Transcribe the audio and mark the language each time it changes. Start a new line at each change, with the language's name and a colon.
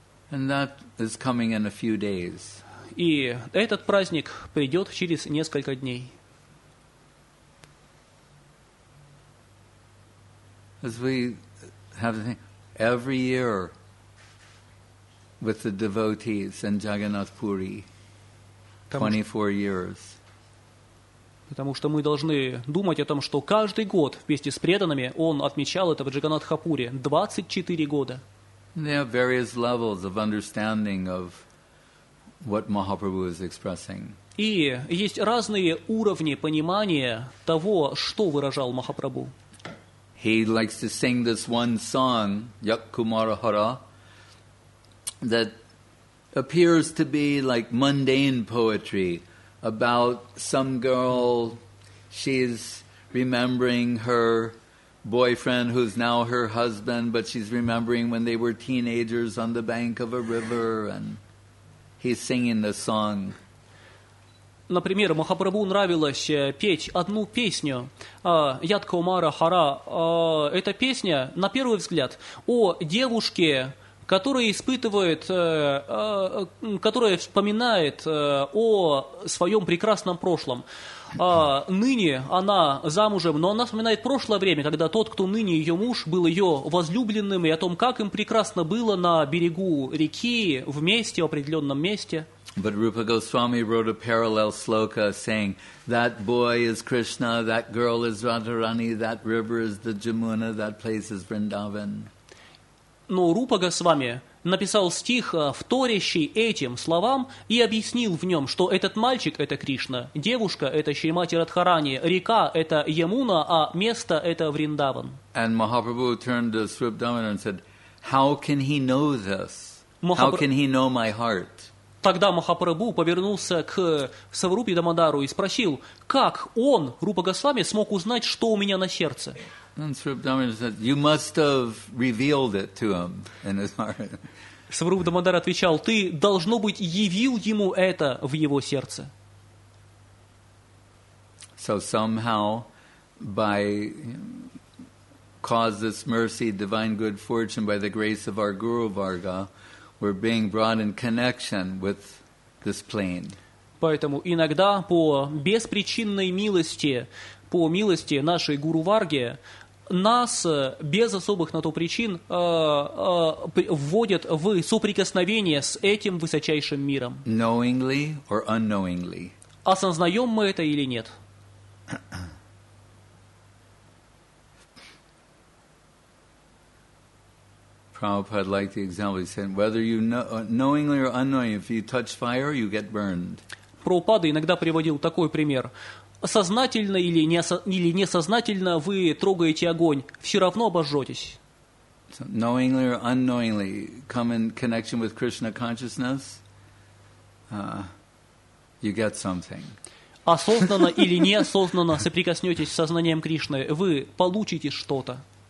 English: And that is coming in a few days.
Russian: И этот праздник придет через несколько дней.
English: As we have the thing, every year with the devotees in Jagannath Puri, 24 years.
Russian: Потому что мы должны думать о том, что каждый год вместе с преданными он отмечал это в Джаганатхапуре 24 года.
English: They have various levels of understanding of what Mahaprabhu is expressing.
Russian: И есть разные уровни понимания того, что выражал Махапрабху.
English: He likes to sing this one song, Yak Kumara Hara, that appears to be like mundane poetry about some girl, she's remembering her boyfriend who's now her husband, but she's remembering when they were teenagers on the bank of a river, and he's singing the song.
Russian: Например, Махапрабху нравилось петь одну песню, Яд Каумара Хара. Эта песня, на первый взгляд, о девушке, которая испытывает, которая вспоминает о своем прекрасном прошлом. Ныне она замужем, но она вспоминает прошлое время, когда тот, кто ныне ее муж, был ее возлюбленным, и о том, как им прекрасно было на берегу реки, вместе, в определенном месте.
English: But Rupa Goswami wrote a parallel sloka saying, that boy is Krishna, that girl is Radharani, that river is the Jamuna, that place is Vrindavan.
Russian: Но Рупа Госвами написал стих, вторящий этим словам, и объяснил в нем, что этот мальчик – это Кришна, девушка – это Шримати Радхарани, река – это Ямуна, а место – это Вриндаван.
English: And Mahaprabhu turned to Swipdaman and said, how can he know this? How can he know my heart?
Russian: Тогда Махапрабху повернулся к Саварупе Дамодару и спросил, как он, Рупа Госвами, смог узнать, что у меня на сердце?
English: And Swipdaman said, you must have revealed it to him in his heart.
Russian: Саварупа Дамодар отвечал, ты, должно быть, явил ему это в его сердце.
English: So somehow, by cause this mercy, divine good fortune, by the grace of our Guru Varga, we're being brought in connection with this plane.
Russian: Поэтому иногда по беспричинной милости, по милости нашей Гуру Варги, нас без особых на то причин вводят в соприкосновение с этим высочайшим миром.
English: Knowingly or unknowingly.
Russian: Осознаем мы это или нет?
English: Prabhupada liked the example. He said, whether you knowingly or unknowingly, if you touch fire, you get burned.
Russian: Prabhupada иногда приводил такой пример. Сознательно или несознательно вы трогаете огонь, все равно обожжетесь.
English: So, knowingly or unknowingly, come in connection with Krishna consciousness, you get something.
Russian: Осознанно или неосознанно соприкоснетесь с сознанием Кришны, вы получите что-то.